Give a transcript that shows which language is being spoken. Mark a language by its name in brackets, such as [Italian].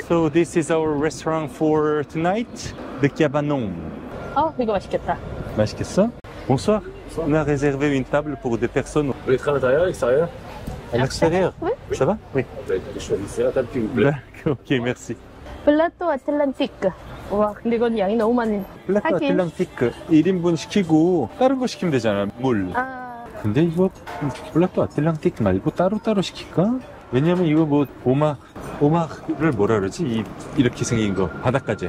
[English] So this is our restaurant for tonight, the Cabanon. [Korean] Oh, 이거 맛있겠다. 맛있겠어? [French] Bonsoir. On a réservé une table pour deux personnes. Vous voulez être à l'intérieur, à l'extérieur? À l'extérieur? Oui. Ça va? Oui. Choisissez la table qui vous plaît. D'accord, ok, merci. Plateau Atlantique. [Korean] 와 근데 이건 양이 너무 많네. 플라토 아틀란티크 1인분 시키고 다른 거 시키면 되잖아. 물. 아... 근데 이거 플라토 아틀란티크 말고 따로 시킬까? 왜냐면 이거 뭐 오마를 뭐라 그러지? 이렇게 생긴 거 바닷가재.